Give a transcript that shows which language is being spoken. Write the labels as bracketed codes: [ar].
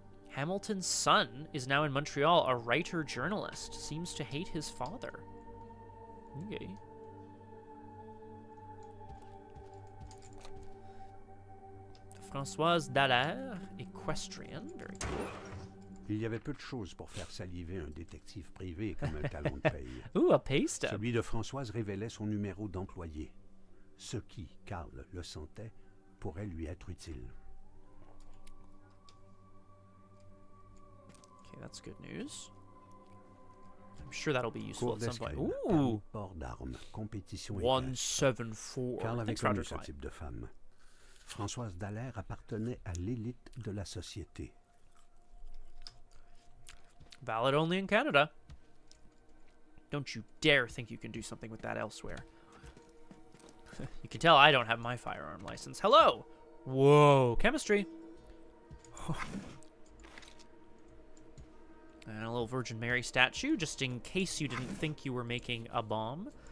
[en] Hamilton's son is now in Montreal, a writer journalist, seems to hate his father. Okay. Françoise Dallaire, equestrian, very cool. [fr] Il y avait peu de choses pour faire saliver un détective privé comme un talon de paye. [en] Ooh, a pay stub. [fr] Celui de Françoise révélait son numéro d'employé. Ce qui, Carl le sentait, pourrait lui être utile. [en] Okay, that's good news. I'm sure that'll be useful at some point. Ooh. [fr] Port d'armes, compétition. [en] 174. [fr] Carl avait connu ce type de femme. Françoise Dallaire appartenait à l'élite de la société. [en] Valid only in Canada. Don't you dare think you can do something with that elsewhere. You can tell I don't have my firearm license. Hello! Whoa, chemistry. And a little Virgin Mary statue, just in case you didn't think you were making a bomb.